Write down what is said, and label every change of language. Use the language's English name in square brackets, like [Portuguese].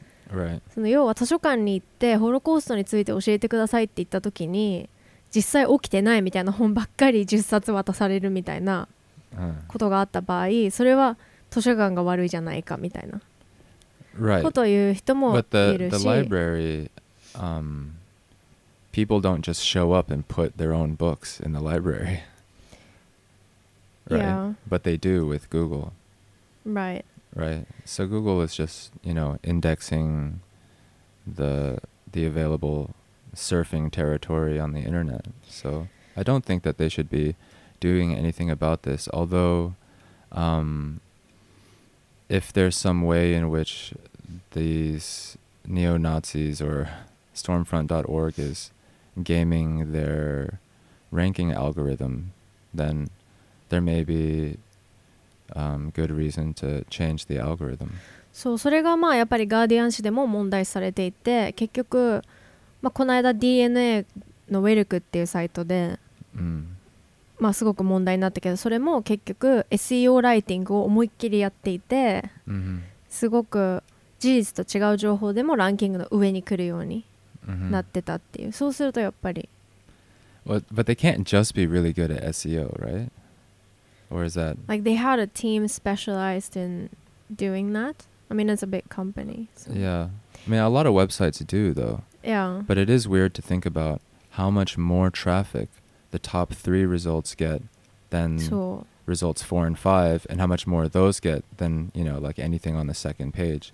[English] right. [Japanese] その要は図書館に行ってホロコーストについて教えてくださいって言った時に、実際起きてないみたいな本ばっかり10冊渡されるみたいなことがあった場合、それは図書館が悪いじゃないかみたいな、 [English] right. [Japanese] ことを言う人もいるし、 [English] But the library, people don't just show up and put their own books in the library. Right, yeah. But they do with Google. Right. Right. So Google is just, you know, indexing the available surfing territory on the internet. So I don't think that they should be doing anything about this. Although, if there's some way in which these neo-Nazis or Stormfront.org is gaming their ranking algorithm, then... There may be, good reason to change the algorithm. [Japanese] そう、それがまあやっぱりガーディアン紙でも問題されていて、結局、まあ、この間 DNA のウェルクっていうサイトで、まあ、すごく問題になったけど、それも結局 SEO ライティングを思いっきりやっていて、すごく事実と違う情報でもランキングの上に来るようになってたっていう。そうするとやっぱり、 [English] But they can't just be really good at SEO, right? Or is that... Like, they had a team specialized in doing that. I mean, it's a big company. So. Yeah. I mean, a lot of websites do, though. Yeah. But it is weird to think about how much more traffic the top three results get than results 4 and 5, and how much more those get than, you know, like anything on the second page.